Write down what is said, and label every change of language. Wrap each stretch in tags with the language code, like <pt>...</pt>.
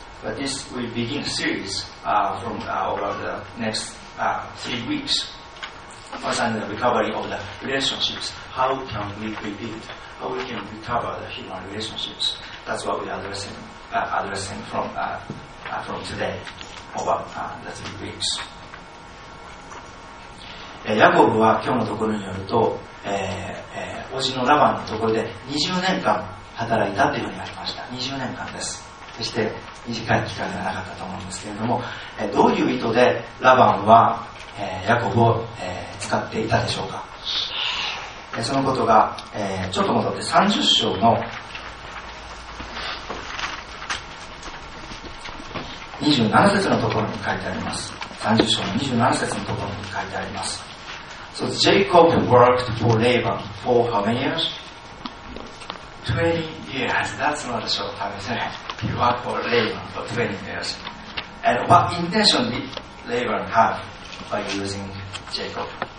<en>But this will begin a series from over the next 3 weeks. First, on the recovery of the relationships. How can we rebuild? How we can recover the human relationships? That's what we're addressing from today over the 3 weeks.</en> <ja>ヤコブは今日のところによると、叔父のラバンのところで20年間働いたというふうにありました。20年間です。そして短い期間ではなかったと思うんですけれども、どういう意図でラバンは、ヤコブを、使っていたでしょうか。そのことが、ちょっと戻って30章の27節のところに書いてあります。 30章の27節のところに書いてあります。</ja> <en>So Jacob worked for Laban for how many years? 20 years. That's not a short time, is it? He worked for Laban for 20 years. And what intention did Laban have by using Jacob?</en>